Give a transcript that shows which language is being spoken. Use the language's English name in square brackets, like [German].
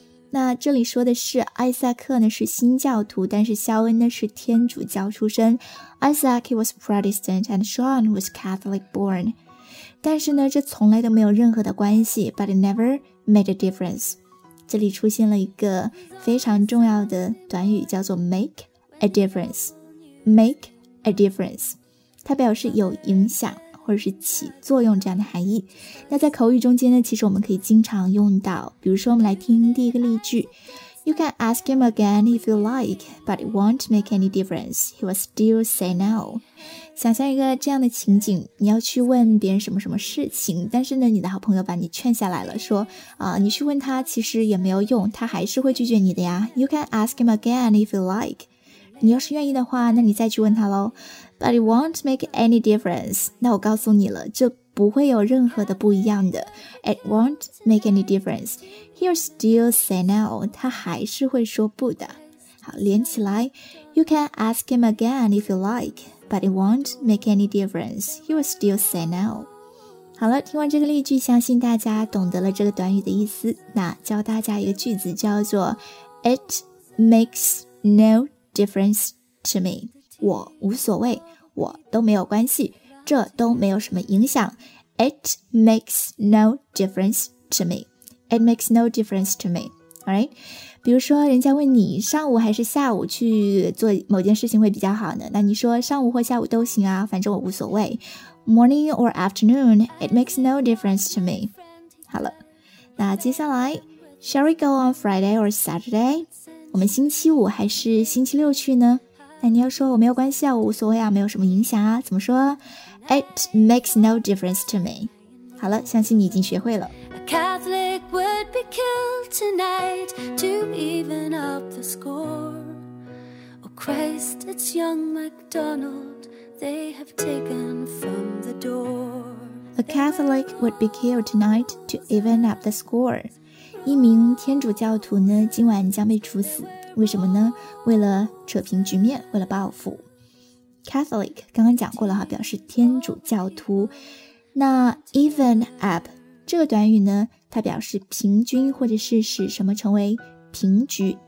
[Chinese] 那这里说的是艾萨克呢是新教徒，但是肖恩呢是天主教出身。 [English] Isaac he was Protestant and Sean was Catholic born， [Chinese] 但是呢这从来都没有任何的关系， [English] but it never made a difference。 [Chinese] 这里出现了一个非常重要的短语，叫做 make a difference。 make a difference 它表示有影响或者是起作用这样的含义。那在口语中间呢，其实我们可以经常用到，比如说我们来听第一个例句。 [English] You can ask him again if you like, but it won't make any difference. He will still say no. [Chinese] 想象一个这样的情景，你要去问别人什么什么事情，但是呢你的好朋友把你劝下来了，说你去问他其实也没有用，他还是会拒绝你的呀。 [English] You can ask him again if you like. [Chinese] 你要是愿意的话，那你再去问他咯。 [English] But it won't make any difference. [Chinese] 那我告诉你了，这不会有任何的不一样的。 [English] It won't make any difference. He'll still say no. [Chinese] 他还是会说不的。好，连起来。 [English] You can ask him again if you like, but it won't make any difference. He'll still say no. [Chinese] 好了，听完这个例句，相信大家懂得了这个短语的意思。那教大家一个句子叫做 [English] It makes no difference to me. [Chinese] 我无所谓，我都没有关系，这都没有什么影响。 [English] It makes no difference to me. It makes no difference to me. Alright? [Chinese] 比如说人家问你上午还是下午去做某件事情会比较好呢，那你说上午或下午都行啊，反正我无所谓。 [English] Morning or afternoon, it makes no difference to me. [Chinese] 好了，那接下来 [English] Shall we go on Friday or Saturday? [Chinese] 我们星期五还是星期六去呢？那你要说我没有关系啊，我无所谓啊，没有什么影响啊，怎么说？ [English] It makes no difference to me. [Chinese] 好了，相信你已经学会了。 [English] A Catholic would be killed tonight to even up the score. Oh Christ, it's young MacDonald they have taken from the door. A Catholic would be killed tonight to even up the score. [Chinese] 一名天主教徒呢，今晚将被处死。为什么呢？为了扯平局面，为了报复。Catholic 刚刚讲过了哈，表示天主教徒。那 even up 这个短语呢，它表示平均或者是使什么成为平局。